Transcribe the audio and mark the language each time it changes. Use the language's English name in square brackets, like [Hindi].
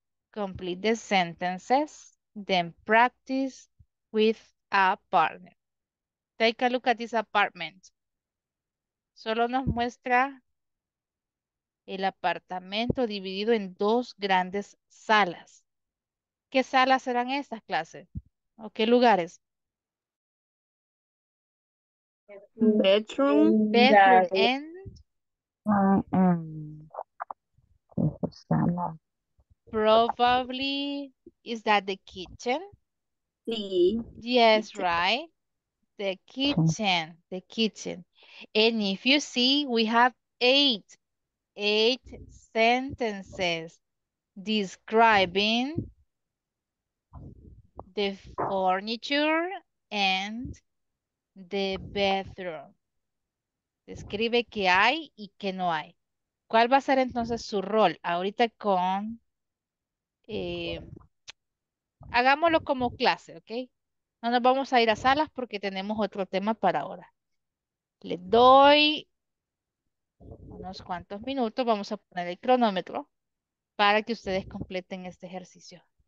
[English] Complete the sentences, then practice with a partner. Take a look at this apartment. [Spanish] Solo nos muestra el apartamento dividido en dos grandes salas. ¿Qué salas serán estas, clases? ¿O qué lugares? [English] Bedroom. Bedroom and... Probably, is that the kitchen? [Spanish] Sí. [English] Yes, right. The kitchen, the kitchen. And if you see, we have eight sentences describing the furniture and the bathroom. [Spanish] Describe qué hay y qué no hay. ¿Cuál va a ser entonces su rol ahorita con... hagámoslo como clase, ¿ok? No nos vamos a ir a salas porque tenemos otro tema para ahora. Le doy unos cuantos minutos, vamos a poner el cronómetro para que ustedes completen este ejercicio.